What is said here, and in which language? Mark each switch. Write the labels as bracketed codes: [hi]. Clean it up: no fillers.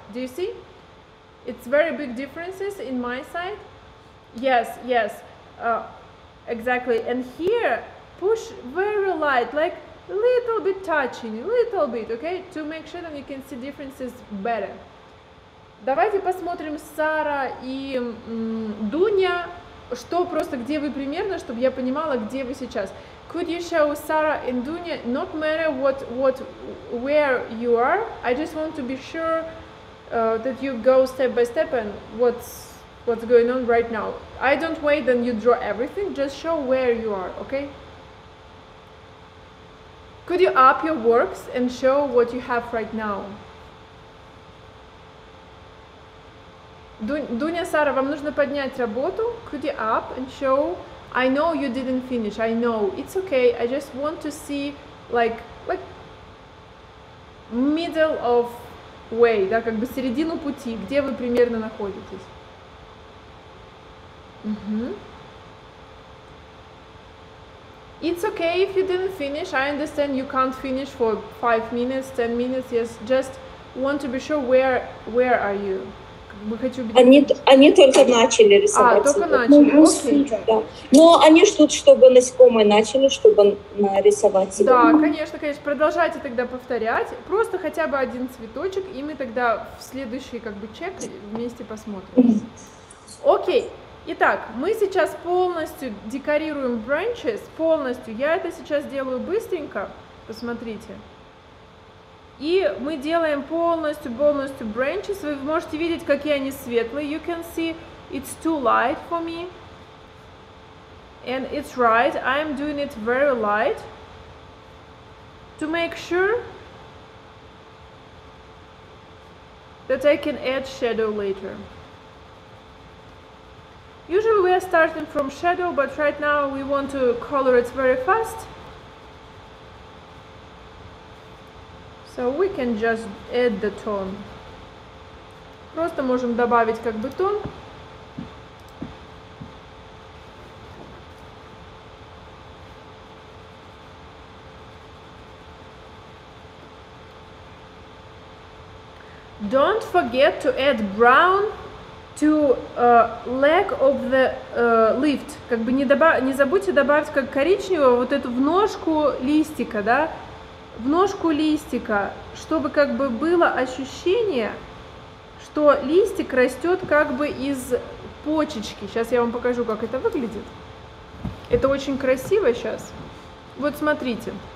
[en] Do you see? It's very big differences in my side. Yes, yes, exactly. And here, push very light, like little bit touching, little bit, okay? To make sure that you can see differences better. [ru] Давайте посмотрим Сара и Дуня, что просто, где вы примерно, чтобы я понимала, где вы сейчас. [en] Could you show Сара and Дуня, not matter what, where you are, I just want to be sure that you go step by step and what's going on right now. I don't wait and you draw everything, just show where you are, okay? Could you up your works and show what you have right now? [ru] Дуня, Сара, вам нужно поднять работу. [en] Could you up and show? I know you didn't finish. I know. It's okay. I just want to see like middle of way, [ru] да, как бы середину пути, где вы примерно находитесь. Угу. [en] It's okay if you didn't finish. I understand you can't finish for 5 minutes, 10 minutes. Yes, just want to be sure where are you? [ru] Мы хочу быть. Они только начали рисовать. А только начали. Ну, okay. Да. Но они ждут, чтобы насекомые начали, чтобы нарисовать. Да, конечно, конечно. Продолжайте тогда повторять. Просто хотя бы один цветочек, и мы тогда в следующий как бы чек вместе посмотрим. Окей. Итак, мы сейчас полностью декорируем branches, полностью. Я это сейчас делаю быстренько, посмотрите. И мы делаем полностью branches. Вы можете видеть, какие они светлые. [en] You can see it's too light for me. And it's right, I'm doing it very light. To make sure that I can add shadow later. Usually we are starting from shadow, but right now we want to color it very fast. So we can just add the tone. [ru] Просто можем добавить как бы тон. [en] Don't forget to add brown to leg of the lift. [ru] Как бы не забудьте добавить как коричневого вот эту в ножку листика, да? В ножку листика, чтобы как бы было ощущение, что листик растет как бы из почечки. Сейчас я вам покажу, как это выглядит. Это очень красиво сейчас. Вот смотрите.